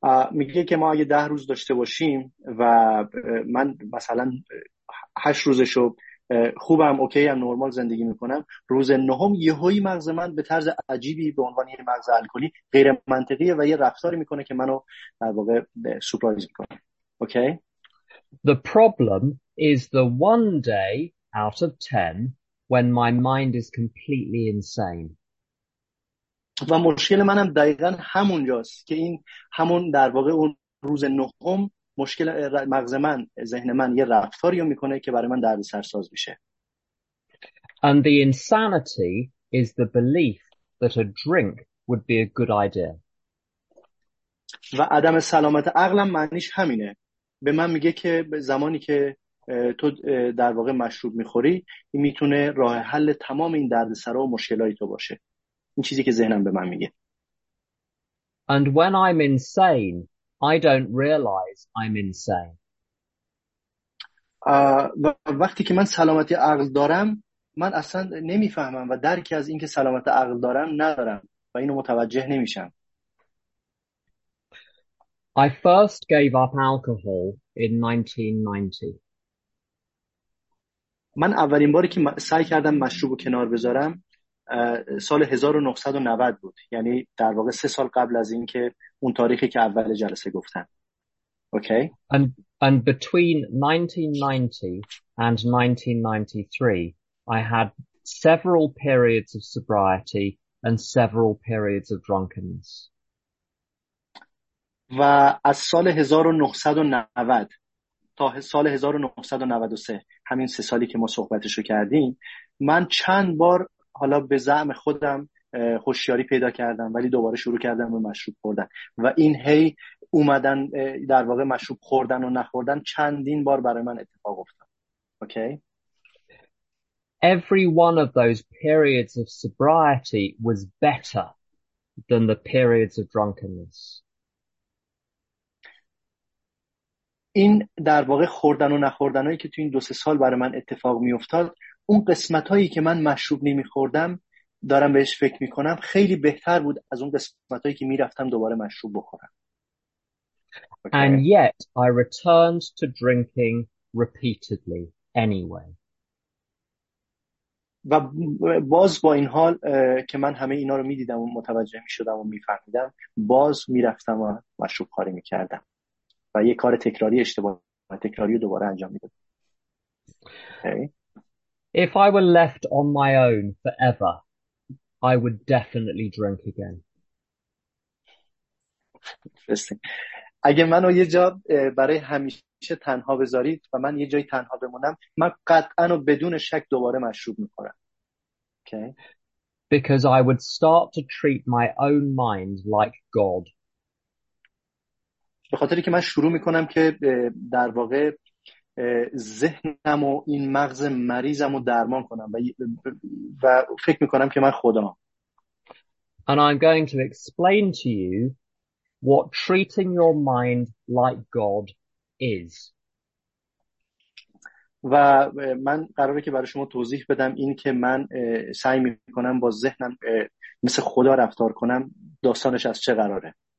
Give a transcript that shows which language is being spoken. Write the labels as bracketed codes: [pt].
[fa] میگه که ما اگه 10 روز داشته باشیم و من مثلا 8 روزشو خوبم، اوکی ام، نرمال زندگی میکنم، روز نهم یهوی مغز من به طرز عجیبی به عنوان یه مغز الکلی غیر منطقیه و یه رفتاری میکنه که منو در واقع سورپرایز میکنه. [en] Okay. The problem is the one day out of 10 when my mind is completely insane. [fa] و مشکل منم دقیقا همونجاست که این همون در واقع اون روز نهم مشکل مغز من، ذهن من یه رفتاری میکنه که برای من درد سرساز میشه. [en] And the insanity is the belief that a drink would be a good idea. [fa] و عدم سلامت عقلم معنیش همینه. به من میگه که زمانی که تو در واقع مشروب میخوری این میتونه راه حل تمام این درد سرا و مشکلای تو باشه. این چیزی که ذهنم به من میگه. [en] And when I'm insane, I don't realize I'm insane. [fa] وقتی که من سلامتی عقل دارم، من اصلا نمیفهمم و درکی از اینکه سلامت عقل دارم ندارم و اینو متوجه نمیشم. [en] I first gave up alcohol in 1990. [fa] من اولین باری که سعی کردم مشروب کنار بذارم سال 1990 بود، یعنی در واقع 3 سال قبل از این که اون تاریخی که اول جلسه گفتم. [en] Okay. And between 1990 and 1993, I had several periods of sobriety and several periods of drunkenness. [fa] و از سال 1990 تا سال 1993، همین 3 سالی که ما صحبتشو کردیم، من چند بار حالا به زعم خودم هوشیاری پیدا کردم ولی دوباره شروع کردم به مشروب خوردن و این هی اومدن در واقع مشروب خوردن و نخوردن چندین بار برای من اتفاق افتاد. [en] Okay. Every one of those periods of sobriety was better than the periods of drunkenness. [fa] این در واقع خوردن و نخوردنایی که تو این 2-3 سال برای من اتفاق می افتاد، اون قسمت هایی که من مشروب نمی خوردم دارم بهش فکر می کنم خیلی بهتر بود از اون قسمت هایی که می رفتم دوباره مشروب بخورم. [en] Okay. And yet I returned to drinking repeatedly anyway. [fa] و باز با این حال که من همه اینا رو می دیدم و متوجه می شدم و می فهمیدم، باز می رفتم و مشروب خوری می کردم و یه کار تکراری اشتباه تکراری رو دوباره انجام می دادم. [en] Okay. If I were left on my own forever, I would definitely drink again. [fa] اگه منو یه جا برای همیشه تنها بذارید و من یه جای تنها بمونم، من قطعاً و بدون شک دوباره مشروب می‌خورم. [en] Okay. Because I would start to treat my own mind like God. [fa] به خاطری که من شروع می‌کنم که در واقع ذهنم و این مغز مریضم رو درمان کنم و فکر میکنم که من خدا هم. [en] And I'm going to explain to you what treating your mind like God is. [fa] و من قراره که برای شما توضیح بدم این که من سعی میکنم با ذهنم مثل خدا رفتار کنم داستانش از چه قراره.